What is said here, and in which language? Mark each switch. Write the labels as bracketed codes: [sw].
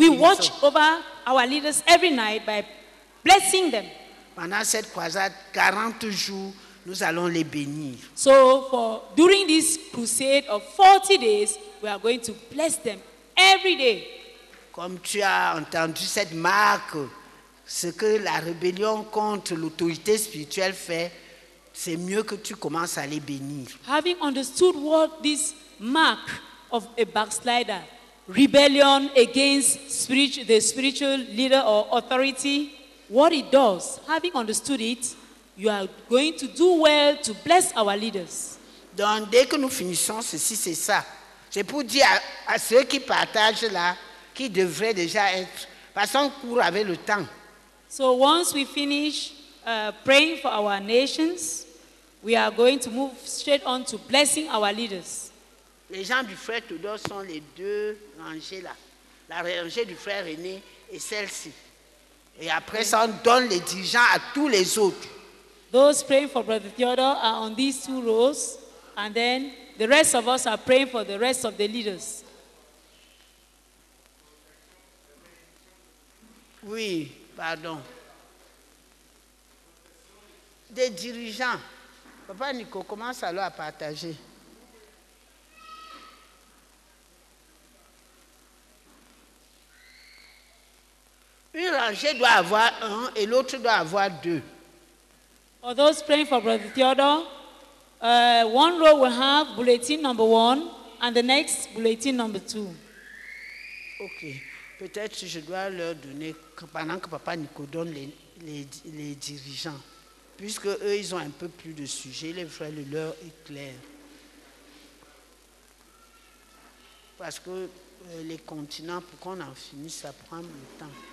[en] we watch over our leaders every night by blessing them. [fr] Pendant cette croisade, 40 jours, nous allons les bénir. [en] So for during this crusade of 40 days, we are going to bless them every day. [fr] Comme tu as entendu cette marque. Ce que la rébellion contre l'autorité spirituelle fait, c'est mieux que tu commences à les bénir. [en] Having understood what this mark of a backslider, rebellion against the spiritual leader or authority, what it does, having understood it, you are going to do well to bless our leaders. [fr] Donc, dès que nous finissons ceci, c'est ça. C'est pour dire à ceux qui partagent là, qui devraient déjà être, passons court avec le temps. [en] So once we finish praying for our nations, we are going to move straight on to blessing our leaders. [fr] Les gens du frère Tudor sont les deux rangées là. La rangée du frère René et celle-ci. Et après ça, on donne les dirigeants à tous les autres. [en] Those praying for Brother Theodore are on these two rows, and then the rest of us are praying for the rest of the leaders. [fr] Oui. Pardon. Des dirigeants. Papa Nico, commence alors à partager. Une rangée doit avoir un et l'autre doit avoir deux. [en] For those praying for Brother Theodore, one row will have bulletin number one and the next bulletin number two. Ok. [fr] Peut-être je dois leur donner pendant que Papa Nico donne les dirigeants. Puisque eux, ils ont un peu plus de sujets, les frères, le leur est clair. Parce que les continents, pour qu'on en finisse, ça prend le temps.